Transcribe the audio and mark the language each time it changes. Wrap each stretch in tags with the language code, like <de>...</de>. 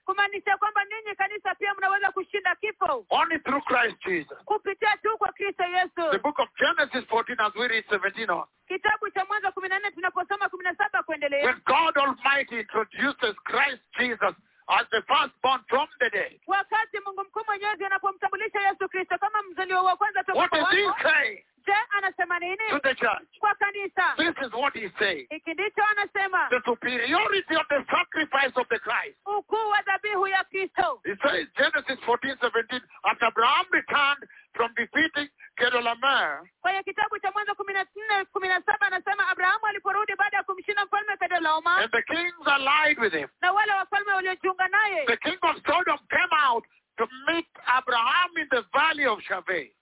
<sw>kumaanisha kwamba ninyi kanisa pia mnaweza kushinda kifo,</sw> <en>only through Christ Jesus,</en> <sw>kupitia tu kwa Kristo Yesu.</sw> <en>The book of Genesis 14 as we read 17 on,</en> <sw>kitabu cha Mwanzo 14 tunaposoma 17 kuendelea,</sw> <en>when God Almighty introduces Christ Jesus as the firstborn from the dead,</en> <sw>wakati Mungu mkuu mwenyezi anapomtambulisha Yesu Kristo kama mzaliwa wa kwanza toka kwa wafu,</sw> <en>what is he saying?</en> <sw>Anasema nini?</sw> <en>To the church.</en> <sw>Kwa kanisa.</sw> <en>This is what he's saying.</en> <sw>Hiki ndicho anasema.</sw> <en>The superiority of the sacrifice of the Christ.</en> <sw>Ukuu wa dhabihu ya Kristo.</sw> <en>He says Genesis 14:17, after Abraham returned from defeating Kedorlaomer.</en> <sw>Kwenye kitabu cha Mwanzo 14:17 anasema Abraham aliporudi baada ya kumshinda mfalme Kedorlaomer.</sw> <en>And the kings allied with him.</en> <sw>Na wale wafalme waliojiunga naye.</sw> <en>The king of Sodom came out to meet Abraham in the valley of Shaveh.</en>